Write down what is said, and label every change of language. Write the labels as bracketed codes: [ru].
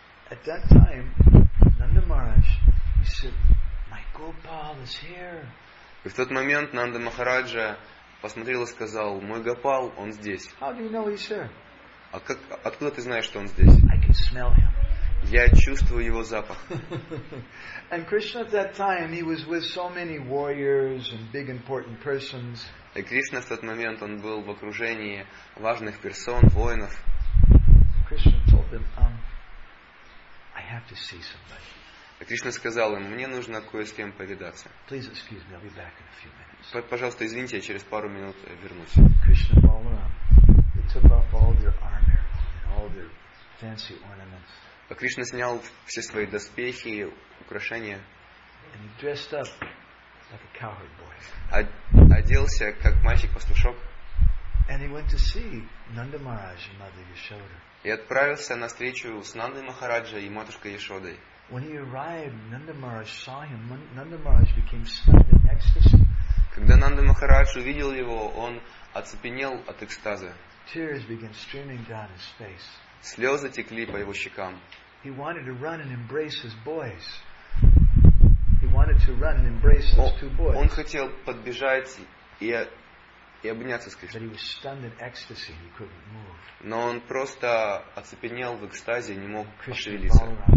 [en] At that time, Nanda Maharaj. He said, "My Gopal is here." [ru] И в тот момент Нанда Махараджа посмотрел и сказал: "Мой Гопал, он здесь." [en] How do you know he's here? [ru] А как, откуда ты знаешь, что он здесь? [en] I can smell him. [ru] Я чувствую его запах. [en] And Krishna at that time he was with so many warriors and big important persons. [ru] И Кришна в тот момент он был в окружении важных персон, воинов. [en] Krishna told them, "I have to see somebody." [ru] Кришна сказал им, мне нужно кое с кем повидаться. [en] Please excuse me, I'll be back in a few minutes. [ru] Пожалуйста, извините, я через пару минут вернусь. [en] Krishna Balaram, they took off all their armor and all their fancy ornaments. [ru] А Кришна снял все свои доспехи, украшения. [en] And dressed up like a cowherd boy. [ru] Оделся как мальчик-пастушок. [en] And he went to see Nanda Maharaj and Mother Yashoda. [ru] И отправился на встречу с Нандой Махараджей и матушкой Яшодой. [en] When he arrived, Nanda Maharaj saw him. Nanda Maharaj became stunned in ecstasy. [ru] Когда Нанда Махарадж увидел его, он оцепенел от экстаза. [en] Tears began streaming down his face. [ru] Слезы текли по его щекам. [en] He wanted to run and embrace his boys. He wanted to run and embrace his two boys. [ru] Он хотел подбежать и обняться с Кришной. [en] But he was stunned in ecstasy. He couldn't move. [ru] Но он просто оцепенел в экстазе и не мог пошевелиться.